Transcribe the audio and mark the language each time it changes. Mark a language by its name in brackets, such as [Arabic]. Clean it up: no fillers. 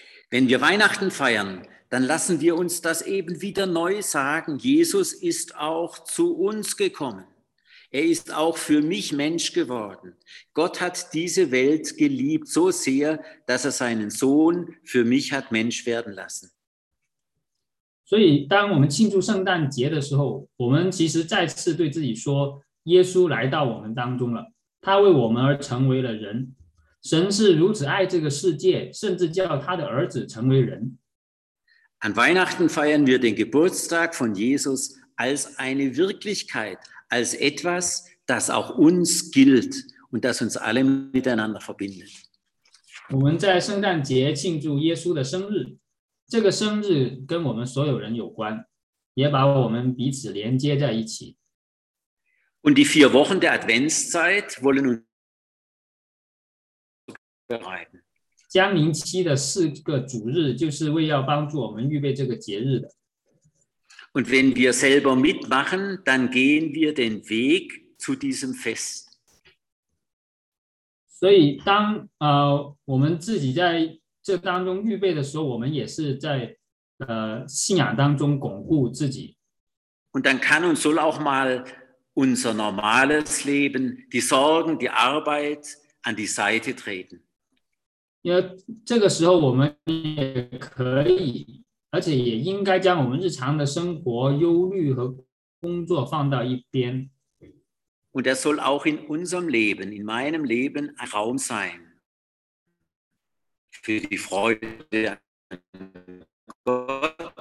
[German] Wenn wir Weihnachten feiern, dann lassen wir uns das eben wieder neu sagen. Jesus ist auch zu uns gekommen. Er ist auch für mich Mensch geworden. Gott hat diese Welt geliebt so sehr, dass er seinen Sohn für mich hat Mensch werden lassen. [Chinese] 所以当我们庆祝圣诞节的时候，我们其实再次对自己说，耶稣来到我们当中了，他为我们而成为了人。神是如此爱这个世界，甚至叫他的儿子成为人。 [German] An Weihnachten feiern wir den Geburtstag von Jesus als eine Wirklichkeit, als etwas, das auch uns gilt und das uns alle miteinander verbindet. [Chinese] 我们在圣诞节庆祝耶稣的生日，这个生日跟我们所有人有关，也把我们彼此连接在一起。 [German] Und die vier Wochen der Adventszeit wollen uns bereiten. [Chinese] 江陵期的四个主日就是为要帮助我们预备这个节日的。 [German] Und wenn wir selber mitmachen, dann gehen wir den Weg zu diesem Fest. [Chinese] 所以当我们自己在这当中预备的时候，我们也是在信仰当中巩固自己。 [German] Und dann kann uns soll auch malunser normales Leben, die Sorgen, die Arbeit an die Seite treten. [Chinese] Ja, 这个时候我们也可以，而且也应该将我们日常的生活忧虑和工作放到一边。 [German] Und das soll auch in unserem Leben, in meinem Leben ein Raum sein für die Freude an Gott.